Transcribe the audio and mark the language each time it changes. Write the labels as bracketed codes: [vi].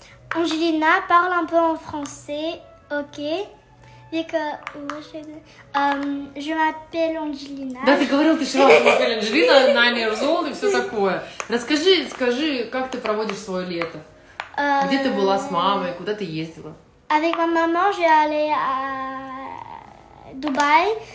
[fr] Анжелина, parle un peu en français, ok. Je m'appelle Анжелина. [ru] Да, ты говорил, ты шла в Марбель Анжелина, [en] 9 years old [ru] и все такое. Расскажи, скажи, как ты проводишь свое лето? Где ты была с мамой? Куда ты ездила? [fr] Avec ma maman, j'ai allé à Dubaï.